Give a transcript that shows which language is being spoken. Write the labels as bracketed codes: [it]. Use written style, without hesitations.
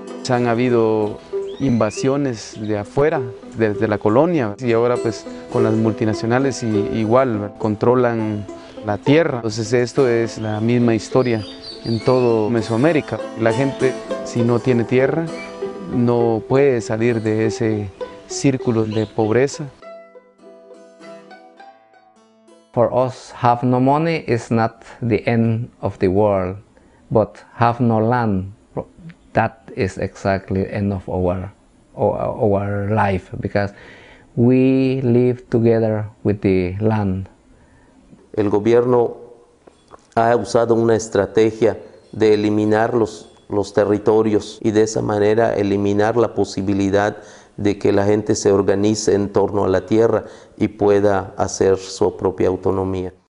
[es] Han habido invasiones de afuera, desde la colonia, y ahora pues con las multinacionales igual, ¿verdad? Controlan la tierra. Entonces esto es la misma historia en todo Mesoamérica. La gente, si no tiene tierra, no puede salir de ese círculo de pobreza. [en] For us, have no money is not the end of the world, but have no land, that is exactly the end of our life, because we live together with the land. [es] El gobierno ha usado una estrategia de eliminar los territorios y de esa manera eliminar la posibilidad de que la gente se organice en torno a la tierra y pueda hacer su propia autonomía.